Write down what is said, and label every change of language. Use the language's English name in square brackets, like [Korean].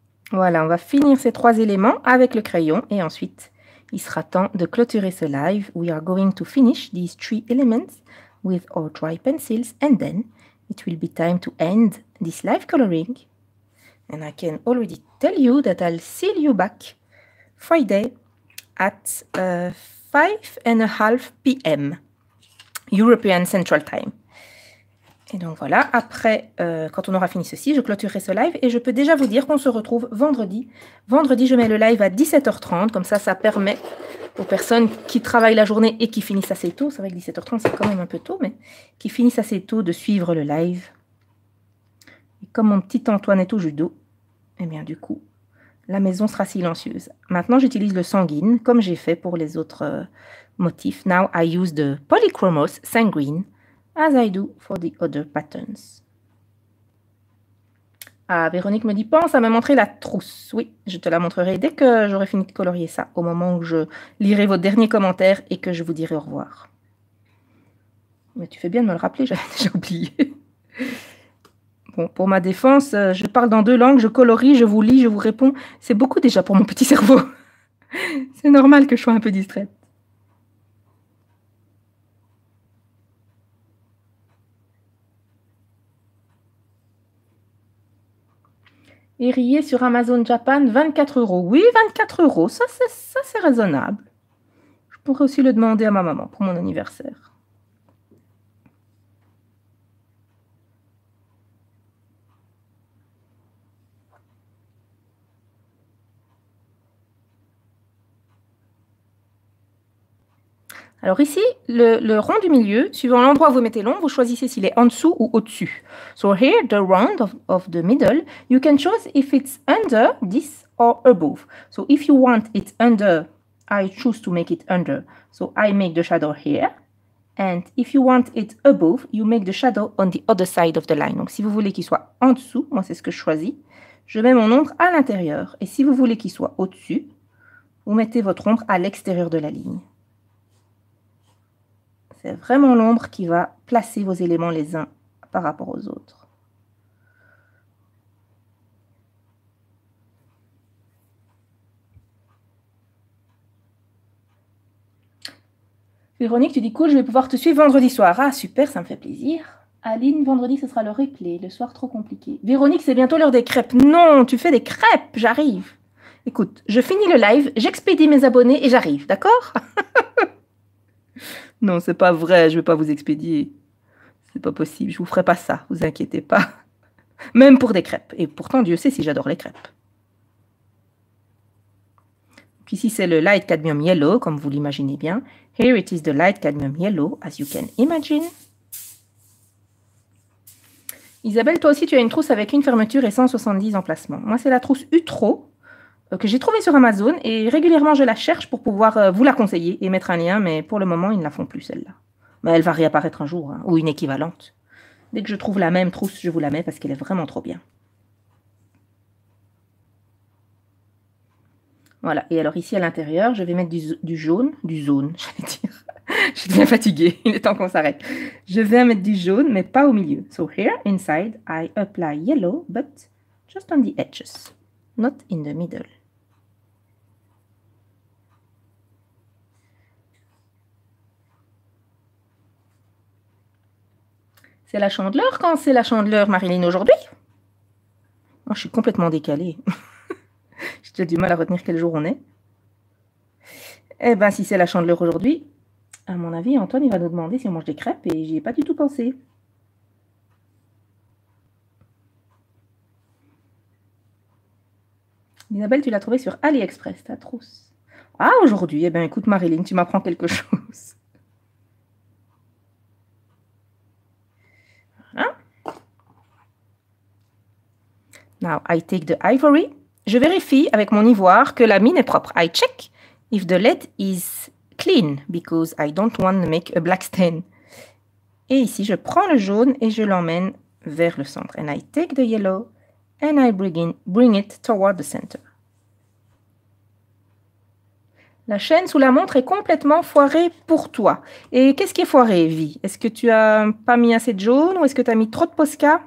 [French] Voilà, on va finir ces trois éléments avec le crayon et ensuite... Il sera temps de clôturer ce live. [English] We are going to finish these three elements with our dry pencils and then it will be time to end this live coloring. And I can already tell you that I'll see you back Friday at 5:30 p.m. European Central Time. [French] Et donc voilà, après, quand on aura fini ceci, je clôturerai ce live et je peux déjà vous dire qu'on se retrouve vendredi. Vendredi, je mets le live à 17h30, comme ça, ça permet aux personnes qui travaillent la journée et qui finissent assez tôt, c'est vrai que 17h30, c'est quand même un peu tôt, mais qui finissent assez tôt de suivre le live. Et comme mon petit Antoine est au judo, eh bien du coup, La maison sera silencieuse. Maintenant, j'utilise le sanguine, comme j'ai fait pour les autres motifs. [English] Now, I use the polychromos sanguine, as I do for the other patterns. [French] Ah, Véronique me dit, pense à me montrer la trousse. Oui, je te la montrerai dès que j'aurai fini de colorier ça, au moment où je lirai vos derniers commentaires et que je vous dirai au revoir. Mais tu fais bien de me le rappeler, j'avais déjà oublié. Bon, pour ma défense, je parle dans deux langues, je colorie, je vous lis, je vous réponds. C'est beaucoup déjà pour mon petit cerveau. C'est normal que je sois un peu distraite. Érillé sur Amazon Japan, 24 euros. Oui, 24 euros, ça c'est raisonnable. Je pourrais aussi le demander à ma maman pour mon anniversaire. Alors ici, le rond du milieu, suivant l'endroit où vous mettez l'ombre, vous choisissez s'il est en dessous ou au-dessus. [English] So here, the round of the middle, you can choose if it's under this or above. So if you want it under, I choose to make it under. So I make the shadow here. And if you want it above, you make the shadow on the other side of the line. [French] Donc si vous voulez qu'il soit en dessous, moi c'est ce que je choisis, je mets mon ombre à l'intérieur. Et si vous voulez qu'il soit au-dessus, vous mettez votre ombre à l'extérieur de la ligne. C'est vraiment l'ombre qui va placer vos éléments les uns par rapport aux autres. Véronique, tu dis cool, je vais pouvoir te suivre vendredi soir. Ah super, ça me fait plaisir. Aline, vendredi, ce sera le replay, le soir trop compliqué. Véronique, c'est bientôt l'heure des crêpes. Non, tu fais des crêpes, j'arrive. Écoute, je finis le live, j'expédie mes abonnés et j'arrive, d'accord? Non, c'est pas vrai, je vais pas vous expédier. C'est pas possible, je vous ferai pas ça, vous inquiétez pas. Même pour des crêpes. Et pourtant, Dieu sait si j'adore les crêpes. Donc ici, c'est le light cadmium yellow, comme vous l'imaginez bien. [English] Here it is the light cadmium yellow, as you can imagine. [French] Isabelle, toi aussi, tu as une trousse avec une fermeture et 170 emplacements. Moi, c'est la trousse Utro que j'ai trouvé sur Amazon et régulièrement je la cherche pour pouvoir vous la conseiller et mettre un lien, mais pour le moment, ils ne la font plus, celle-là. Mais elle va réapparaître un jour, hein, ou une équivalente. Dès que je trouve la même trousse, je vous la mets parce qu'elle est vraiment trop bien. Voilà, et alors ici à l'intérieur, je vais mettre du jaune, j'allais dire. Je deviens fatiguée, il est temps qu'on s'arrête. Je vais mettre du jaune, mais pas au milieu. [English] So here, inside, I apply yellow, but just on the edges. Not in the middle. [French] C'est la chandeleur quand c'est la chandeleur, Marilyn, aujourd'hui? Oh, je suis complètement décalée. J'ai déjà du mal à retenir quel jour on est. Eh bien, si c'est la chandeleur aujourd'hui, à mon avis, Antoine, il va nous demander si on mange des crêpes et j'y ai pas du tout pensé. Isabelle, tu l'as trouvée sur AliExpress, ta trousse. Ah, aujourd'hui, eh bien, écoute, Marilyn, tu m'apprends quelque chose. Hein? [English] Now, I take the ivory. [French] Je vérifie avec mon ivoire que la mine est propre. [English] I check if the lead is clean, because I don't want to make a black stain. [French] Et ici, je prends le jaune et je l'emmène vers le centre. [English] And I take the yellow. And I bring it toward the center. [French] La chaîne sous la montre est complètement foirée pour toi. Et qu'est-ce qui est foiré, Vi? Est-ce que tu as pas mis assez de jaune ou est-ce que tu as mis trop de Posca?